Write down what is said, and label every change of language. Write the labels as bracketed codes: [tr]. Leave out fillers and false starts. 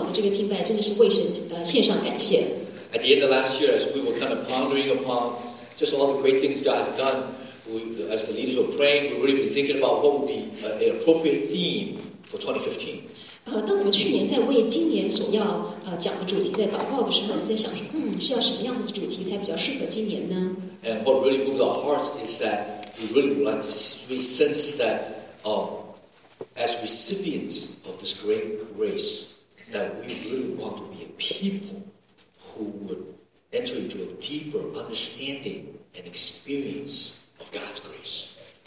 [zh] 我就是借着今天这个机会来跟大家问好，就是我们西区的弟兄姐妹真的为着北区的弟兄姐妹能够在这里这样直堂，然后能有这么好的这个敬拜，真的是为神献上感谢。 [en] At the end of last year, as we were kind of pondering upon just all the great things God has done, as the leaders were praying, we really been thinking about what would be an appropriate theme for 2015. [zh] 当我们去年在为今年所要讲的主题在祷告的时候，我们在想说，是要什么样子的主题才比较适合今年呢？ [en] And what really moves our hearts is that we really would like to sense that as recipients of this great grace, that we really want to be a people who would enter into a deeper understanding and experience of God's grace.